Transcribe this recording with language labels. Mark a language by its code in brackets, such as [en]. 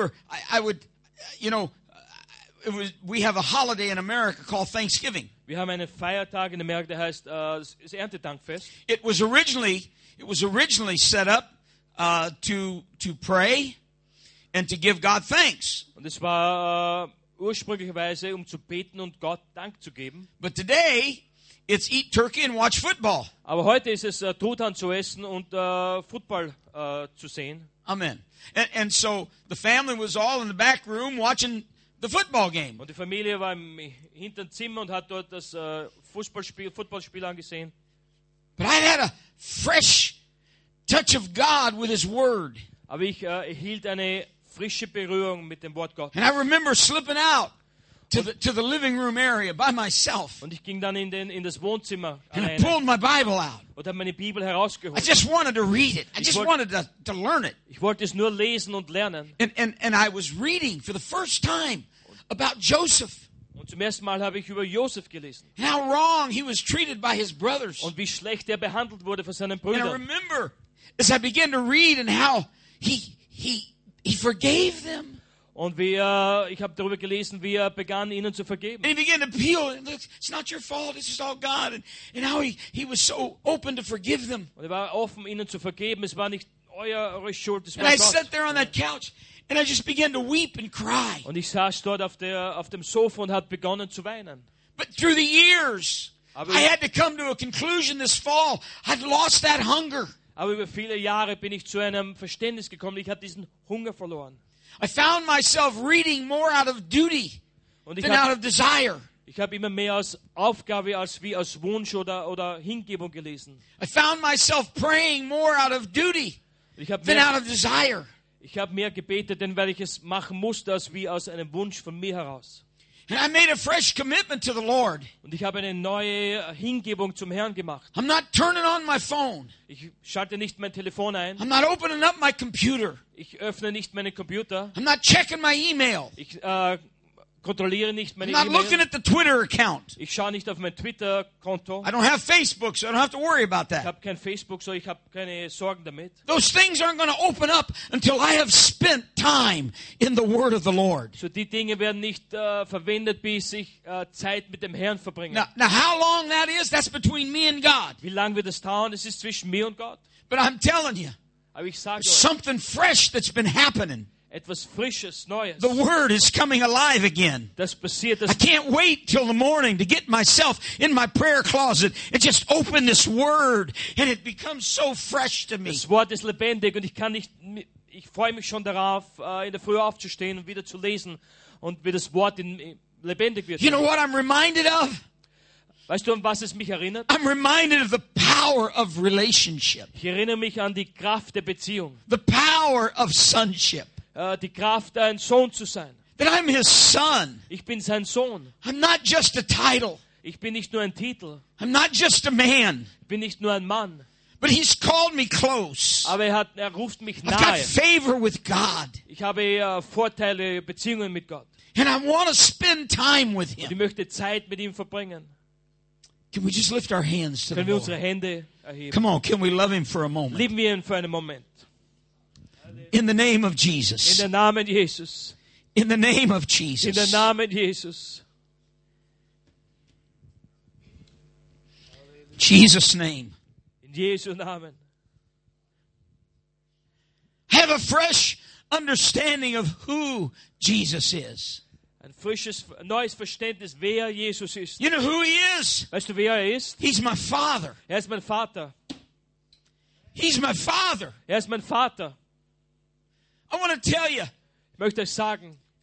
[en] I remember, we have a holiday in America called Thanksgiving. [de] Wir haben einen Feiertag in Amerika, der heißt Erntedankfest. [en] It was originally set up to pray and to give God thanks. [de] Und es war ursprünglicherweise um zu beten und Gott Dank zu geben. [en] But today it's eat turkey and watch football. [de] Aber heute ist es Truthahn zu essen und Football zu sehen. [en] Amen. And so the family was all in the back room watching the football game. [de] Und die Familie war im hinteren Zimmer und hat dort das Fußballspiel angesehen. [en] But I had a fresh touch of God with his word. [de] Aber ich erhielt eine frische Berührung mit dem Wort Gottes. [en] And I remember slipping out to the living room area by myself. [de] Und ich ging dann in das Wohnzimmer alleine. [en] And I pulled my Bible out. [de] Und habe meine Bibel herausgeholt. [en] I just wanted to read it. I just wanted to learn it. [de] Ich wollte es nur lesen und lernen. [en] And I was reading for the first time about Joseph. [de] Und zum ersten Mal habe ich über Joseph gelesen. [en] And how wrong he was treated by his brothers. [de] Und wie schlecht er behandelt wurde von seinen Brüdern. [en] And I remember as I began to read and how he forgave them. [de] Und ich habe darüber gelesen, wie er begann, ihnen zu vergeben. [en] And he began to appeal. Look, it's not your fault. This is all God. And how he was so open to forgive them. [de] Und er war offen, ihnen zu vergeben. Es war nicht eure Schuld. Es war [en] and [de] Gott. [en] I sat there on that couch, and I just began to weep and cry. [de] Und ich saß dort auf dem Sofa und habe begonnen zu weinen. [en] But through the years, I had to come to a conclusion this fall. I'd lost that hunger. [de] Aber über viele Jahre bin ich zu einem Verständnis gekommen. Ich habe diesen Hunger verloren. [en] I found myself reading more out of duty than out of desire. [de] Ich habe immer mehr aus Aufgabe als wie aus Wunsch oder Hingebung gelesen. [en] I found myself praying more out of duty than out of desire. [de] Ich habe mehr gebetet, denn weil ich es machen musste, als wie aus einem Wunsch von mir heraus. [en] And I made a fresh commitment to the Lord. [de] Und ich habe eine neue Hingebung zum Herrn gemacht. [en] I'm not turning on my phone. [de] Ich schalte nicht mein Telefon ein. [en] I'm not opening up my computer. [de] Ich öffne nicht meinen Computer. [en] I'm not checking my email. [de] Ich kontrolliere nicht meine [en] I'm not [de] E-Mail. [en] Looking at the Twitter account. [de] Ich schaue nicht auf mein Twitter-Konto. [en] I don't have Facebook, so I don't have to worry about that. [de] Ich habe kein Facebook, so ich habe keine Sorgen damit. [en] Those things aren't going to open up until I have spent time in the Word of the Lord. [de] So die Dinge werden nicht verwendet, bis ich Zeit mit dem Herrn verbringe. [en] Now, how long that is? That's between me and God. [de] Wie lang wird das dauern? Es ist zwischen mir und Gott. [en] But I'm telling you, [de] aber ich sage euch, [en] something fresh that's been happening. [de] Etwas Frisches, Neues. [en] The word is coming alive again. [de] Das passiert, das [en] I can't wait till the morning to get myself in my prayer closet and just open this word and it becomes so fresh to me. [de] Das Wort ist lebendig und ich freue mich schon darauf, in der Früh aufzustehen und wieder zu lesen und wie das Wort lebendig wird. [en] You know what I'm reminded of? [de] Weißt du, an was es mich erinnert? [en] I'm reminded of the power of relationship. [de] Ich erinnere mich an die Kraft der Beziehung. [en] The power of sonship. [de] Die Kraft, ein Sohn zu sein. [en] That I'm his son. [de] Ich bin sein Sohn. [en] I'm not just a title. [de] Ich bin nicht nur ein Titel. [en] I'm not just a man. [de] Ich bin nicht nur ein Mann. [en] But he's called me close. [de] Aber er ruft mich [en] I've [de] nahe. [en] Got favor with God. [de] Ich habe Vorteile, Beziehungen mit Gott. [en] And I want to spend time with him. [de] Und ich möchte Zeit mit ihm verbringen. [en] Can we just lift our hands to [de] Können [en] the [de] wir unsere [en] Lord? [de] Hände erheben? [en] Come on, can we love him for a moment? [de] Lieben wir ihn für einen Moment. [en] In the name of Jesus. In the name of Jesus. In the name of Jesus. In the name of Jesus. Jesus' name. In Jesus' name. Have a fresh understanding of who Jesus is. [de] Ein frisches, neues Verständnis, wer Jesus ist. [en] You know who he is. [de] Weißt du, wer er ist? [en] He's my father. [de] Er ist mein Vater. [en] He's my father. [de] Er ist mein Vater. [en] I want to tell you. [de] Ich möchte sagen.